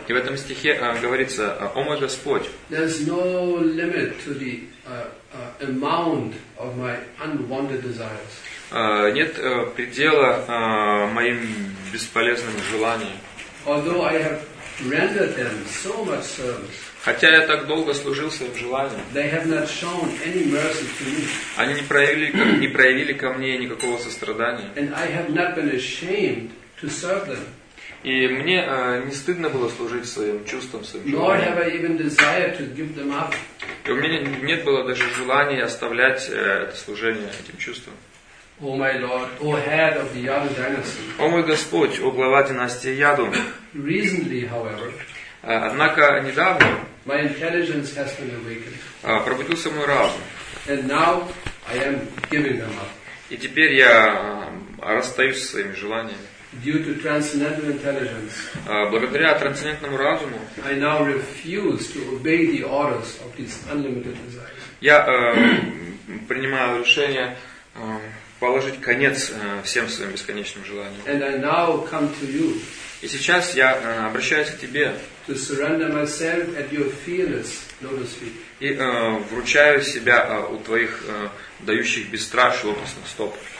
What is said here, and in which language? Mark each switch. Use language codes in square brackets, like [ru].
[ru] И в этом стихе говорится, о мой Господь. [en] There's no limit to the amount of my unwanted desires. [ru] Нет предела моим бесполезным желаниям. [en] Although I have rendered them so much service, [ru] хотя я так долго служил своим желаниям, [en] they have not shown any mercy to me. [ru] Они не проявили ко мне никакого сострадания. [en] And I have not been ashamed to serve them. [ru] И мне не стыдно было служить своим чувствам, своим желаниям. [en] Nor have I even desired to give them up. [ru] И у меня нет было даже желания оставлять это служение этим чувствам. [en] O my Lord, O head of the Yadu dynasty. [ru] О мой Господь, о глава династии Яду. [en] Recently, however, [ru] однако недавно, [en] my intelligence has been awakened. [ru] Пробудился мой разум. [en] And now I am giving them up. [ru] И теперь я расстаюсь со своими желаниями. [en] Due to transcendental intelligence. [ru] Благодаря трансцендентному разуму. [en] I now refuse to obey the orders of these unlimited desires. [ru] Я принимаю решение положить конец всем своим бесконечным желаниям. [en] And I now come to you. [ru] И сейчас я обращаюсь к тебе. [en] To surrender myself at your fearless lotus feet. [ru] И вручаю себя у твоих дающих бесстрашие лотосных стоп.